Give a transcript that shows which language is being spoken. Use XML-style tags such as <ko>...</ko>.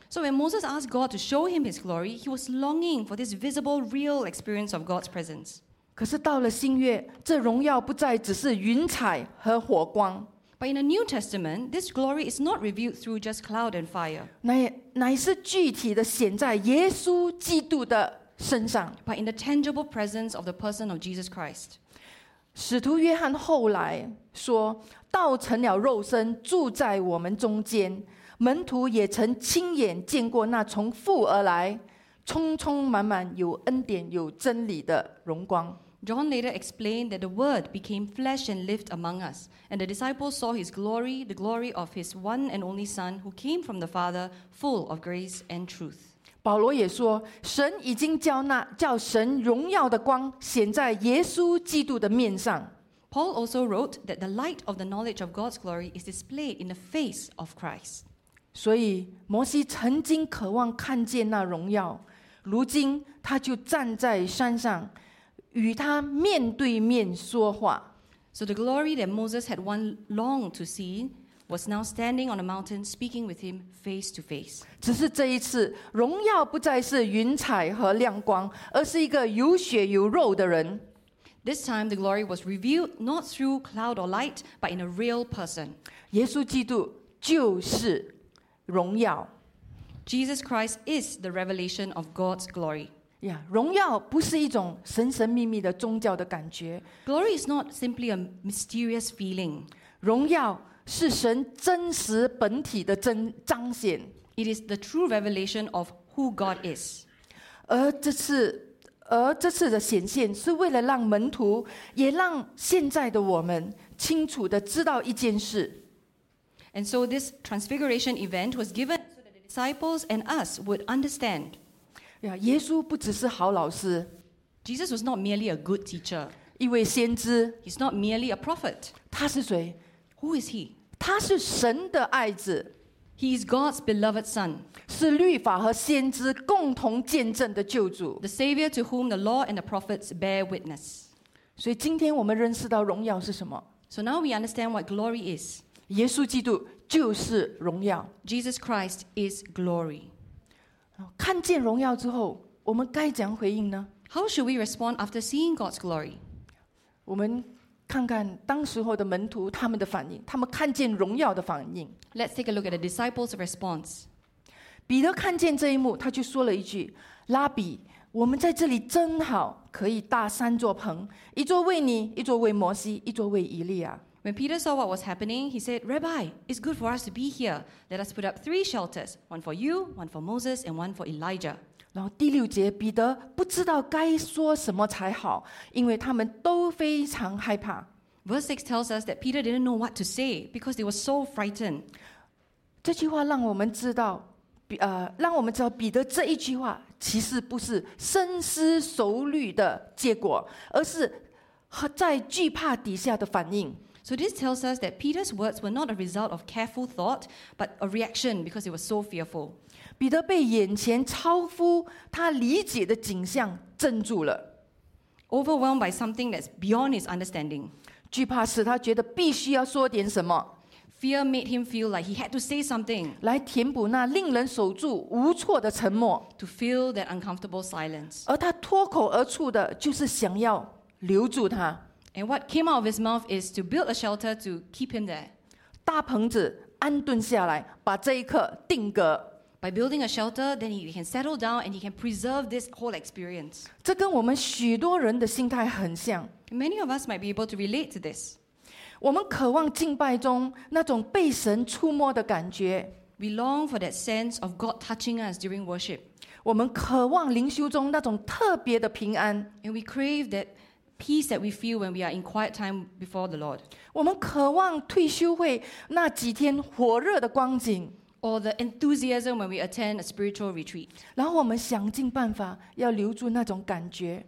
<en>So when Moses asked God to show him his glory he was longing for this visible real experience of God's presence</en> <zh>可是到了新约，这荣耀不再只是云彩和火光。</zh> <en>But in the New Testament, this glory is not revealed through just cloud and fire.</en> <zh>乃是具体的显在耶稣基督的身上。</zh> <en>But in the tangible presence of the person of Jesus Christ.</en> <zh>使徒约翰后来说，道成了肉身，住在我们中间。门徒也曾亲眼见过那从父而来。充充满满有恩典有真理的荣光</zh> <en>John later explained that the word became flesh and lived among us and the disciples saw his glory the glory of his one and only son who came from the father full of grace and truth</en> <zh>保罗也说神已经叫神荣耀的光显在耶稣基督的面上</zh> <en>Paul also wrote that the light of the knowledge of God's glory is displayed in the face of Christ</en> <zh>所以摩西曾经渴望看见那荣耀如今他就站在山上与他面对面说话</zh> <en>So the glory that Moses had once longed to see was now standing on a mountain speaking with him face to face</en> <zh>只是这一次荣耀不再是云彩和亮光而是一个有血有肉的人</zh> <en>This time the glory was revealed not through cloud or light but in a real person</en> <zh>耶稣基督就是荣耀</zh> <en>Jesus Christ is the revelation of God's glory.</en> <zh>Yeah, 荣耀不是一种神神秘秘的宗教的感觉。</zh> <en>Glory is not simply a mysterious feeling.</en> <zh>荣耀是神真实本体的彰显。</zh> <en>It is the true revelation of who God is.</en> <zh>而这次的显现是为了让门徒也让现在的我们清楚地知道一件事。</zh> <en>And so this transfiguration event was given... Disciples and us would understand.</en> <zh>Yeah, 耶稣不只是好老师</zh> <en>Jesus was not merely a good teacher.</en> <zh>一位先知</zh> <en>He's not merely a prophet.</en> <zh>他是谁</zh> <en>Who is he?</en> <zh>他是神的爱子</zh> <en>He is God's beloved son.</en> <zh>是律法和先知共同见证的救主。</zh> <en>The savior to whom the law and the prophets bear witness.</en> <zh>所以今天我们认识到荣耀是什么。</zh> <en>So now we understand what glory is.</en> <zh>耶稣基督就是荣耀。</zh> <en>Jesus Christ is glory.</en> <zh>看见荣耀之后，我们该怎样回应呢？</zh> <en>How should we respond after seeing God's glory?</en> <zh>我们看看当时候的门徒他们的反应，他们看见荣耀的反应。</zh> <en>Let's take a look at the disciples' response.</en> <zh>彼得看见这一幕，他就说了一句：“拉比，我们在这里真好，可以搭三座棚，一座为你，一座为摩西，一座为以利亚。”</zh> <en>When Peter saw what was happening, he said, "Rabbi, it's good for us to be here. Let us put up three shelters: one for you, one for Moses, and one for Elijah."</en> <zh>然后第六节，彼得不知道该说什么才好，因为他们都非常害怕。</zh> <en>Verse 6 tells us that Peter didn't know what to say because they were so frightened.</en> <zh>这句话让我们知道，让我们知道彼得这一句话其实不是深思熟虑的结果，而是在惧怕底下的反应。</zh> <en>So this tells us that Peter's words were not a result of careful thought, but a reaction because he was so fearful.</en> <zh>彼得被眼前超乎他理解的景象镇住了。</zh> <en>Overwhelmed by something that's beyond his understanding.</en> <zh>惧怕使他觉得必须要说点什么。</zh> <en>Fear made him feel like he had to say something.</en> <zh>来填补那令人守住无措的沉默。</zh> <en>To fill that uncomfortable silence.</en> <zh>而他脱口而出的就是想要留住他。</zh> <en>And what came out of his mouth is to build a shelter to keep him there.</en> <zh>搭棚子安顿下来，把这一刻定格。</zh> <en>By building a shelter, then he can settle down and he can preserve this whole experience.</en> <zh>这跟我们许多人的心态很像。</zh> <en>Many of us might be able to relate to this.</en> <zh>我们渴望敬拜中那种被神触摸的感觉。</zh> <en>We long for that sense of God touching us during worship.</en> <zh>我们渴望灵修中那种特别的平安。</zh> <en>And we crave that. Peace that we feel when we are in quiet time before the Lord.</en> <zh>我们渴望退休会那几天火热的光景</zh> <en>or the enthusiasm when we attend a spiritual retreat.</en> <zh>然后我们想尽办法要留住那种感觉</zh>